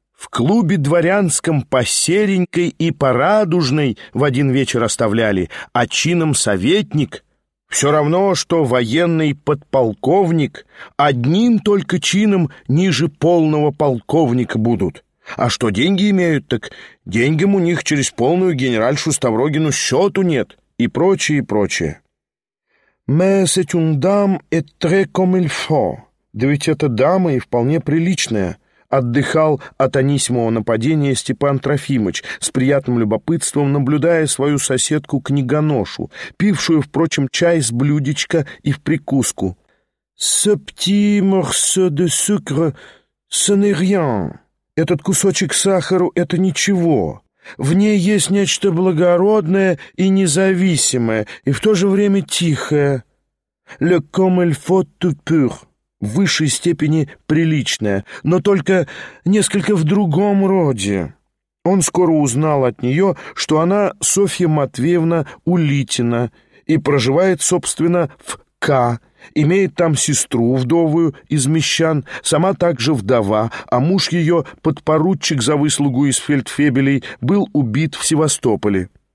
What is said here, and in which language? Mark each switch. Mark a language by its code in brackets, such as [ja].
[ru] В клубе дворянском по серенькой и по радужной в один вечер оставляли, а чином советник, все равно, что военный подполковник, одним только чином ниже полного полковника будут. А что деньги имеют, так деньгам у них через полную генеральшу Ставрогину счету нет, и прочее, и прочее. [fr] «Mais c'est une dame et très comme il faut». [ru] «Да ведь эта дама и вполне приличная». Отдыхал от Анисимова нападения Степан Трофимович, с приятным любопытством наблюдая свою соседку-книгоношу, пившую, впрочем, чай с блюдечка и в прикуску. [fr] «Ce petit morceau de sucre, ce n'est rien». [ru] «Этот кусочек сахару — это ничего. В ней есть нечто благородное и независимое, и в то же время тихое. [fr] Le comme il faut tout pur». [ru] В высшей степени приличная, но только несколько в другом роде. Он скоро узнал от нее, что она Софья Матвеевна Улитина и проживает, собственно, в К, имеет там сестру вдовую из мещан, сама также вдова, а муж ее, подпоручик за выслугу из фельдфебелей, был убит в Севастополе.